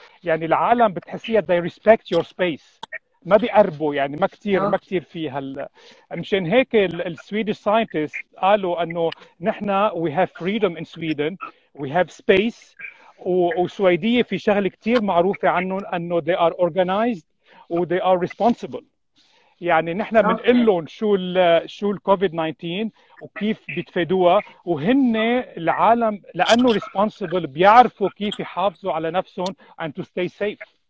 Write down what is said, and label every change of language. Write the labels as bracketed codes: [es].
[ar] يعني العالم بتحسيها [en] they respect your space، [ar] ما بيقربوا، يعني ما اوكي كتير في هال. مشان هيك السويدش ساينتست قالوا انه نحن [en] we have freedom in Sweden, we have space. [ar] والسويدية في شغلة كتير معروفة عنهم انه [en] they are organized [ar] و [en] they are responsible. [ar] يعني نحن بنقول لهم شو الكوفيد 19 وكيف بيتفادوها، وهن العالم لانه responsible بيعرفوا كيف يحافظوا على نفسهم [en] and to stay safe.